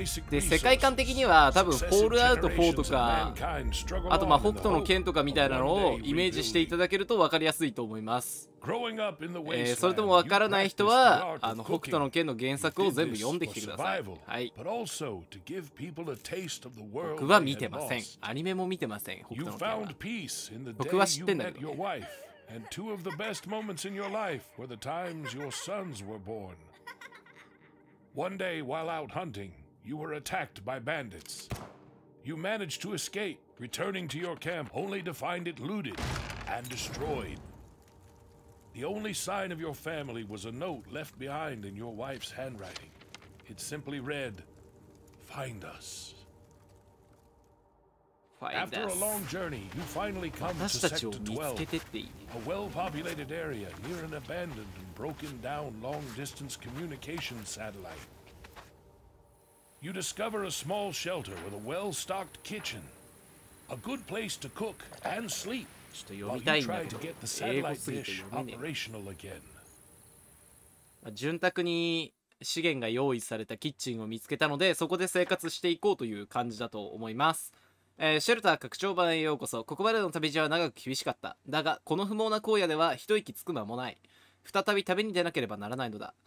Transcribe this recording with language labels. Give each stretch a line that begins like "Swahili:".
Japanese: で、世界観的には多分フォールアウト4とか、あとまあ北斗の剣とかみたいなのをイメージしていただけると分かりやすいと思います。それとも分からない人は北斗の剣の原作を全部読んできてください。はい。僕は見てません、アニメも見てません。北斗の剣は僕は知ってんだけど、ね。
English: And two of the best moments in your life were the times your sons were born. One day, while out hunting, you were attacked by bandits. You managed to escape, returning to your camp only to find it looted and destroyed. The only sign of your family was a note left behind in your wife's handwriting. It simply read, "Find us." After a long journey, you finally come to Sector 12, a well-populated area near an abandoned and broken-down long-distance communication satellite. You discover a small shelter with a well-stocked kitchen, a good place to cook and sleep while you try to get the satellite dish operational again.
Japanese: 潤沢に資源が用意されたキッチンを見つけたので、そこで生活していこうという感じだと思います。シェルター拡張版へようこそ。ここまでの旅路は長く厳しかった。だがこの不毛な荒野では一息つく間もない。再び旅に出なければならないのだ。